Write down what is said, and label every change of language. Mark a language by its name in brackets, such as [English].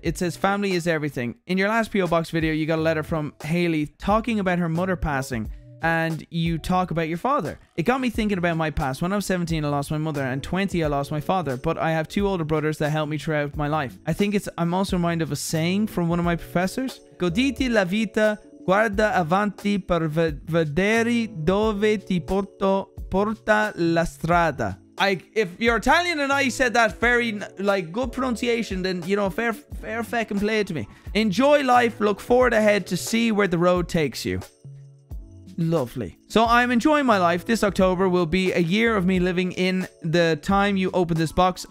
[English] It says family is everything. In your last P.O. Box video, you got a letter from Haley talking about her mother passing and you talk about your father. It got me thinking about my past. When I was 17, I lost my mother and 20, I lost my father. But I have two older brothers that helped me throughout my life. I think I'm also reminded of a saying from one of my professors. [Italian] Goditi la vita, guarda avanti per vedere dove ti porta la strada. [English] If you're Italian and I said that very, like, good pronunciation, then, you know, fair feckin' play it to me. Enjoy life, look forward ahead to see where the road takes you. Lovely. So I'm enjoying my life. This October will be a year of me living in the time you open this box.